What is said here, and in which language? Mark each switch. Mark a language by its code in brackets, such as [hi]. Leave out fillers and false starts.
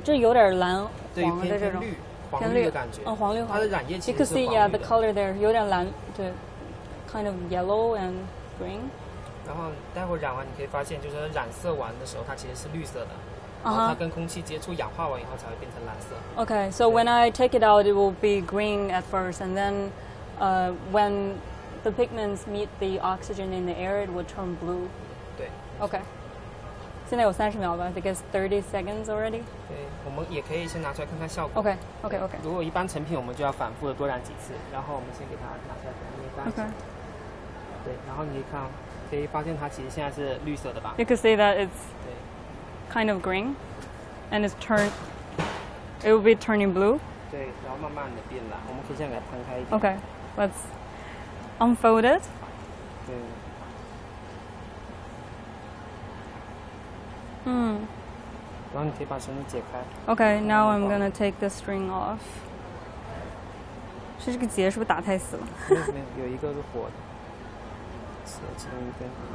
[zh] 这有点蓝黄的这种对偏绿黄绿的感觉。嗯，黄绿黄。它的染液其实是黄绿的。 [en] You can see, yeah, the color there [zh] 有点蓝，对 [en] ，kind of yellow and green. [zh] 然后待会染完，你可以发现，就是染色完的时候，它其实是绿色的。然后它跟空气接触氧化完以后，才会变成蓝色。 [en] Okay, so when I take it out, it will be green at first, and then, when the pigments meet the oxygen in the air, it would turn blue. [zh] 对。 [en] Okay. [zh] 现在有三十秒吧 [en] ，I guess 30 seconds already. [zh] 对，我们也可以先拿出来看看效果。 [en] Okay, okay, okay. [zh] 如果一般成品，我们就要反复的多染几次，然后我们先给它拿出来给它捏干。 [en] Okay. [zh] 对，然后你看，可以发现它其实现在是绿色的吧 [en] ？You can see that it's kind of green, and it's turned. It will be turning blue. [zh] 对，然后慢慢的变蓝。我们可以先给它摊开一点。 [en] Okay, let's unfold it. [zh] 对。嗯，然后你可以把绳子解开。 [en] Okay, now I'm gonna take the string off. [zh] 是这个结是不是打太死了？没有，有一个是活的，死了其中一根。